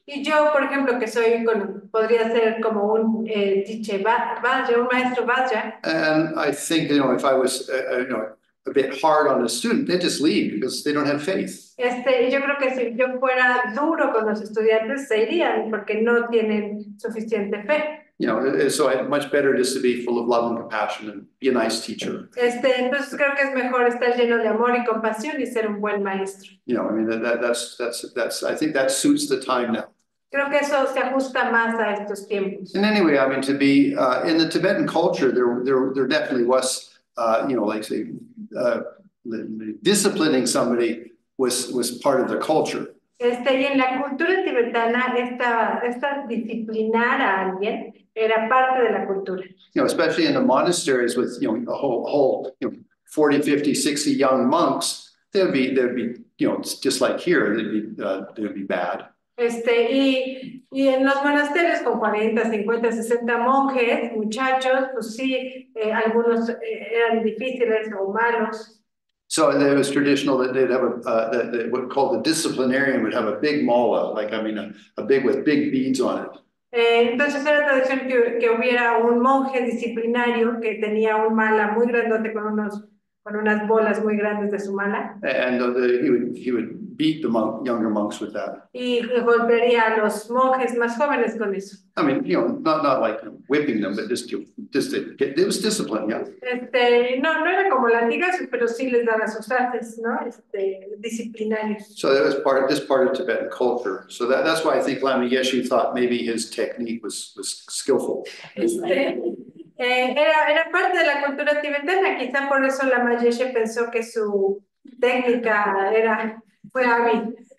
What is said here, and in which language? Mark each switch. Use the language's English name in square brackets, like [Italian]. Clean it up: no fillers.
[Spanish] Y yo, por ejemplo, que soy podría ser como un teacher Vajra, un maestro Vajra. [English] And I think, you know, if I was, you know, a bit hard on a student, they just leave because they don't have faith. [Spanish] Yo creo que si yo fuera duro con los estudiantes, se irían porque no tienen suficiente fe. [English] You know, so much better just to be full of love and compassion and be a nice teacher. [Spanish] Entonces creo que es mejor estar lleno de amor y compasión y ser un buen maestro. [English] You know, I mean, that's I think that suits the time now. [Spanish] Creo que eso se ajusta más a estos tiempos. [English] And anyway, I mean, to be in the Tibetan culture, there definitely was, you know, like say, disciplining somebody was part of the culture. [Spanish] Y en la cultura tibetana, esta disciplinar a alguien era parte de la cultura. [English] You know, especially in the monasteries with, you know, a whole 40, 50, 60 young monks, they'd be, you know, just like here, they'd be bad. [Spanish] Y en los monasterios con 40, 50, 60 monjes, muchachos, pues sí, algunos eran difíciles o malos. [English] So it was traditional that they'd have what called the disciplinarian would have a big mala, a big with big beads on it. [Spanish] Entonces era tradición que hubiera un monje disciplinario que tenía un mala muy grandote con unas bolas muy grandes de su mala. [English] And he would beat the younger monks with that. [Spanish] Y golpearía a los monjes más jóvenes con eso. [English] I mean, you know, not like whipping them, but just to get, it was discipline, yeah. [Spanish] No era como latigazos, pero sí les daba sus artes, ¿no? Disciplinarios. [English] So that was part of Tibetan culture. So that's why I think Lama Yeshe thought maybe his technique was skillful. [Spanish] Era parte de la cultura tibetana, quizá por eso Lama Yeshe pensó que su técnica era fue a mí.